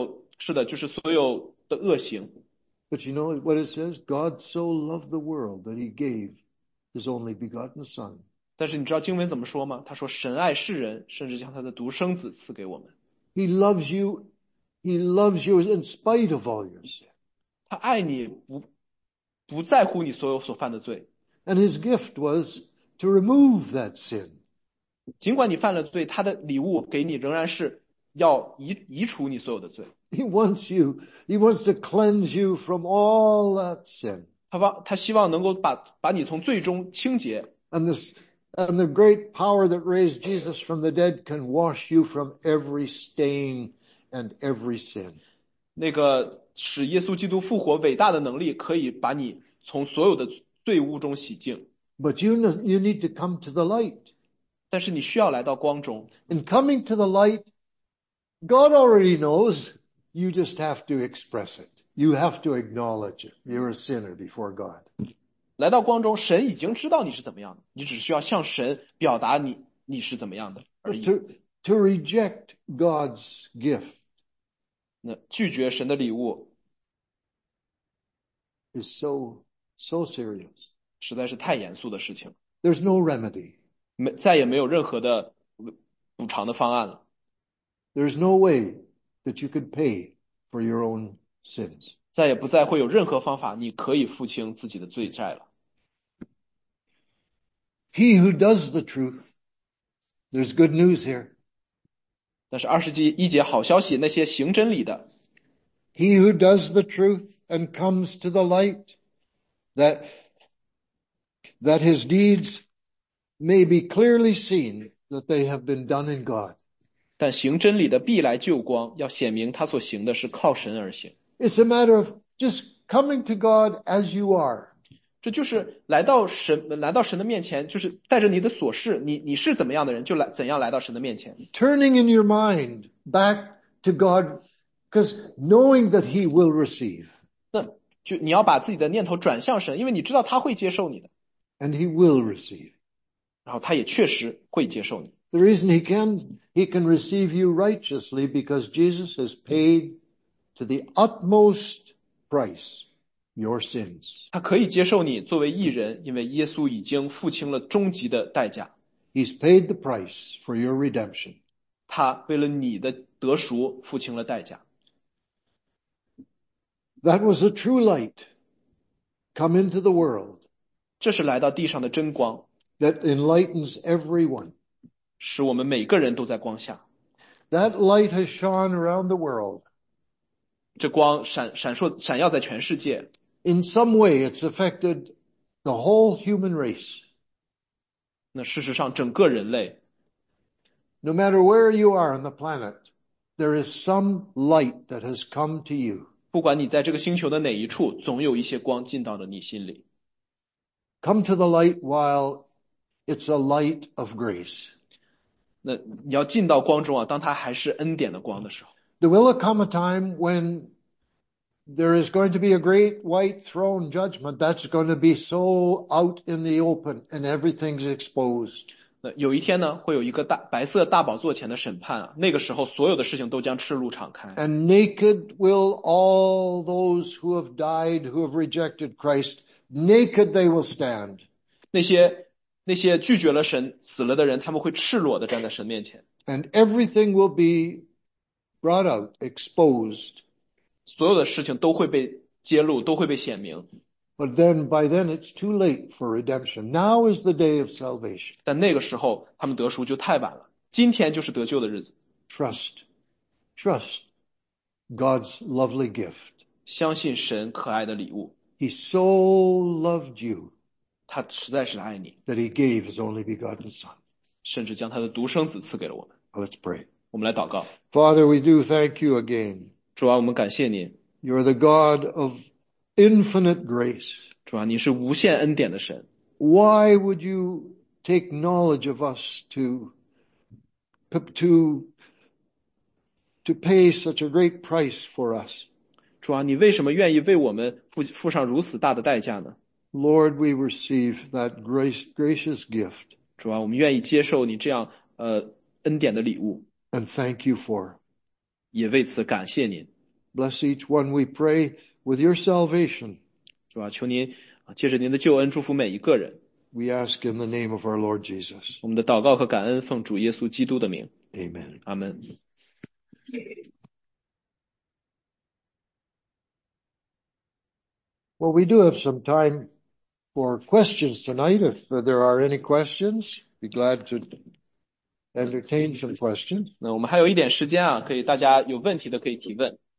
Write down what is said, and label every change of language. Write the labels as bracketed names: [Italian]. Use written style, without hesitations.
[Chinese] 他知道你所有的感受，他知道你所有，是的，就是所有的恶行。 [English] But you know what it says? God so loved the world that he gave his only begotten son. [Chinese] 但是你知道经文怎么说吗？他说：“神爱世人，甚至将他的独生子赐给我们。” [English] He loves you. He loves you in spite of all your sin. [Chinese] 他爱你不在乎你所有所犯的罪。 [English] And his gift was to remove that sin. [Chinese] 尽管你犯了罪，他的礼物给你仍然是要移除你所有的罪。 [English] He wants you. He wants to cleanse you from all that sin. [Chinese] 他希望能够把你从罪中清洁。 [English] And this. And the great power that raised Jesus from the dead can wash you from every stain and every sin. [Chinese] 那个使耶稣基督复活伟大的能力，可以把你从所有的罪污中洗净。 [English] But you need to come to the light. [Chinese] 但是你需要来到光中。 [English] In coming to the light, God already knows. You just have to express it. You have to acknowledge it. You're a sinner before God. [Chinese] 来到光中，神已经知道你是怎么样的，你只需要向神表达你是怎么样的而已。 [English] To reject God's gift [Chinese] 那拒绝神的礼物， [English] is so serious. [Chinese] 实在是太严肃的事情， [English] There's no remedy. [Chinese] 没，再也没有任何的补偿的方案了。 [English] There's no way that you could pay for your own sins. [Chinese] 再也不再会有任何方法，你可以付清自己的罪债了。 [English] He who does the truth, there's good news here. [Chinese] 但是21节好消息，那些行真理的， [English] He who does the truth and comes to the light, that his deeds may be clearly seen that they have been done in God. [Chinese] 但行真理的必来救光，要显明他所行的是靠神而行。 [English] It's a matter of just coming to God as you are. [Chinese] 这就是来到神的面前，就是带着你的琐事，你是怎么样的人，就来怎样来到神的面前。 [English] Turning in your mind back to God, because knowing that He will receive. [Chinese] 那就你要把自己的念头转向神，因为你知道他会接受你的， [English] And He will receive. [Chinese] 然后他也确实会接受你。 [English] The reason He can receive you righteously because Jesus has paid to the utmost price, your sins. [Chinese] 他可以接受你作为义人，因为耶稣已经付清了终极的代价。 [English] He's paid the price for your redemption. [Chinese] 他为了你的得赎付清了代价。 [English] That was a true light come into the world [Chinese] 这是来到地上的真光， [English] that enlightens everyone. [Chinese] 使我们每个人都在光下。 [English] That light has shone around the world. [Chinese] 这光闪烁闪耀在全世界。 [English] In some way, it's affected the whole human race. [Chinese] 那事实上，整个人类， [English] No matter where you are on the planet, there is some light that has come to you. [Chinese] 不管你在这个星球的哪一处，总有一些光进到了你心里。 [English] Come to the light while it's a light of grace. [Chinese] 那你要进到光中啊，当它还是恩典的光的时候。 [English] There will come a time when there is going to be a great white throne judgment that's going to be so out in the open and everything's exposed. [Chinese] 那有一天呢，会有一个大白色大宝座前的审判啊，那个时候所有的事情都将赤露敞开。 [English] And naked will all those who have died who have rejected Christ, naked they will stand. [Chinese] 那些拒绝了神死了的人，他们会赤裸地站在神面前。 [English] And everything will be brought out, exposed. [Chinese] 所有的事情都会被揭露，都会被显明。 [English] But then, by then, it's too late for redemption. Now is the day of salvation. [Chinese] 但那个时候，他们得赎就太晚了。今天就是得救的日子。 [English] Trust God's lovely gift. [Chinese] 相信神可爱的礼物。 [English] He so loved you [Chinese] 他实在是爱你。 [English] that he gave his only begotten Son. [Chinese] 甚至将他的独生子赐给了我们。 [English] Let's pray. [Chinese] 我们来祷告。 [English] Father, we do thank you again. [Chinese] 主啊，我们感谢您。 [English] You're the God of infinite grace. [Chinese] 主啊，您是无限恩典的神。 [English] Why would you take knowledge of us to pay such a great price for us? [Chinese] 主啊，你为什么愿意为我们付上如此大的代价呢？ [English] Lord, we receive that gracious gift. [Chinese] 主啊，我们愿意接受你这样恩典的礼物， [English] And thank you for. [Chinese] 也为此感谢您。 [English] Bless each one, we pray, with your salvation. [Chinese] 主啊，求您啊，借着您的救恩祝福每一个人。 [English] We ask in the name of our Lord Jesus. [Chinese] 我们的祷告和感恩奉主耶稣基督的名， [English] Amen. [Chinese] 阿门。 [English] Well, we do have some time for questions tonight. If there are any questions, be glad to entertain some questions. [Chinese] 那我们还有一点时间啊，可以大家有问题的可以提问。